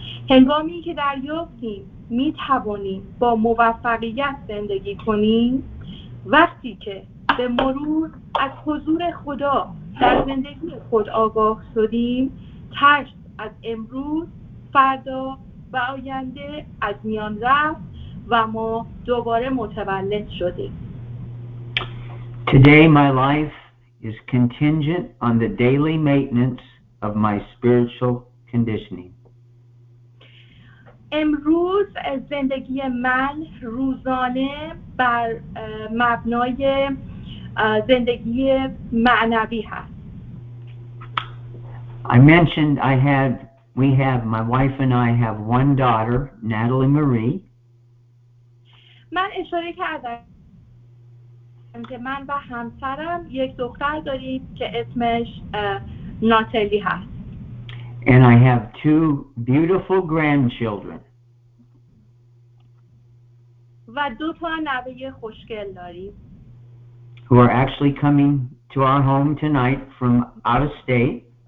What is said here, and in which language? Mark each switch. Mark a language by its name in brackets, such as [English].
[Persian] هنگامی که دریافتیم می توانیم با موفقیت زندگی کنیم، وقتی که به مرور از حضور خدا در زندگی خود آگاه شدیم، ترس از امروز، فردا و آینده از میان رفت و ما دوباره متولد شدیم. [English] Today my life is contingent on the daily maintenance of my spiritual conditioning. [Persian] امروز زندگی من روزانه بر مبنای زندگی معنوی هست. [English] I mentioned I had, we have, my wife and I have one daughter, Natalie Marie. [Persian] من اشاره کردم که من و همسرم یک دختر داریم که اسمش ناتالی هست. [English] And I have two beautiful grandchildren. [Persian] و دو تا نوه خوشگل داریم. [English] Who are actually coming to our home tonight from out of state.